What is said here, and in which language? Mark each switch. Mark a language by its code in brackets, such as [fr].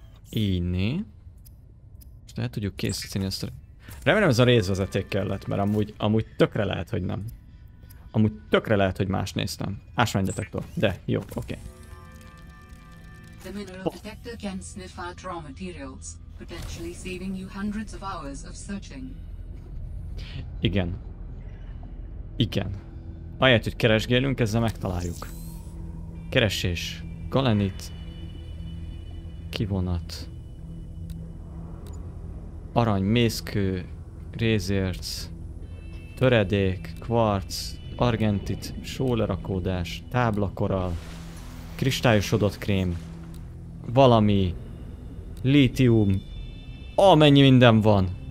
[hu] Íni. És lehet tudjuk készíteni ezt a... Remélem ez a részvezeték kellett, mert amúgy tökre lehet, hogy nem. Amúgy tökre lehet, hogy más néztem. Ásvány detektor. De, jó, oké. Okay. [en] The mineral detector can sniff out raw materials, potentially saving you hundreds of hours of searching. [hu] Igen. Igen. Ahelyett, hogy keresgélünk, ezzel megtaláljuk. Keresés. Galenit. Kivonat. Arany, mészkő, rézérc, töredék, kvarc, argentit, sólerakódás, táblakoral, kristályosodott krém, valami, lítium, amennyi minden van.